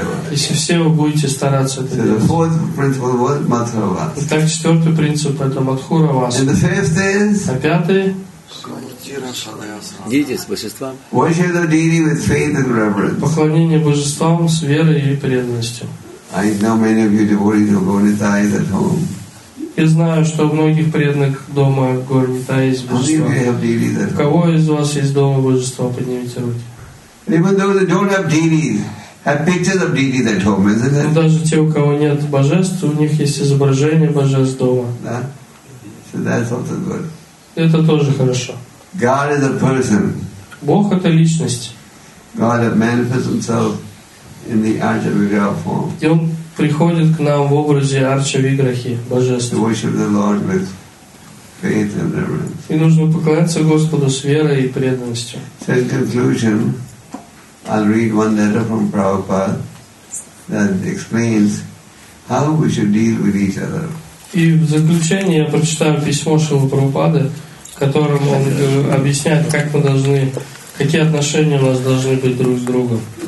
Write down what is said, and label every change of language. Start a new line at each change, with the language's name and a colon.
Russian: Если все вы будете стараться это делать. Итак, четвертый принцип — это Мадхура Вас. А пятый — дети с божеством.
English: Worship the deity with faith and reverence.
Russian: Поклонение божествам с верой и преданностью.
English: I know many of you devotees are gornitais at home.
Russian: Я знаю, что у многих преданных дома горнитаис божества. Кого из вас есть дома божества, поднимите руки.
English: Even those who don't have deities have pictures of deities at home, isn't it?
Russian: Даже те, у кого нет божеств, у них есть изображение божеств дома.
English: So that's also good.
Russian: Это тоже хорошо.
English: God is a person.
Russian: Бог — это личность.
English: God has manifested himself in the Archa-Vigraha form.
Russian: И он приходит к нам в образе Арча-Виграхи, божества.
English: To worship the Lord with faith and reverence.
Russian: И нужно поклоняться Господу с верой и преданностью.
English: So in conclusion, I'll read one letter from Prabhupada that explains how we should deal with each other.
Russian: И в заключение я прочитаю письмо Шрилы Прабхупады, которым он объясняет, как мы должны, какие отношения у нас должны быть друг с другом.